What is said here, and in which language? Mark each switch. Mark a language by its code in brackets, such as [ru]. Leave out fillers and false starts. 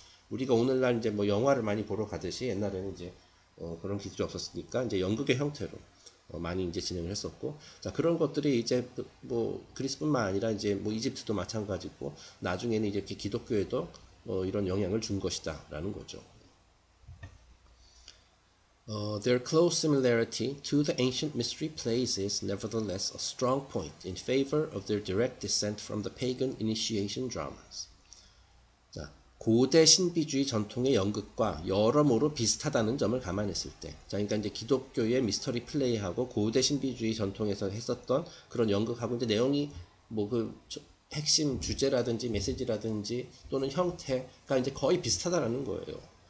[ko] 우리가 오늘날 이제 뭐 영화를 많이 보러 가듯이 옛날에는 이제 그런 기술이 없었으니까 이제 연극의 형태로 많이 이제 진행을 했었고, 자, 그런 것들이 이제 뭐 그리스뿐만 아니라 이제 뭐 이집트도 마찬가지고 나중에는 이렇게 기독교에도 이런 영향을 준 것이다라는 거죠. [en] Their close similarity to the ancient mystery plays is nevertheless a strong point in favor of their direct descent from the pagan initiation dramas. [ko] 자, 고대 신비주의 전통의 연극과 여러모로 비슷하다는 점을 감안했을 때, 자, 그러니까 이제 기독교의 미스터리 플레이하고 고대 신비주의 전통에서 했었던 그런 연극하고 이제 내용이 뭐그 핵심 주제라든지 메시지라든지 또는 형태가 이제 거의 비슷하다라는 거예요.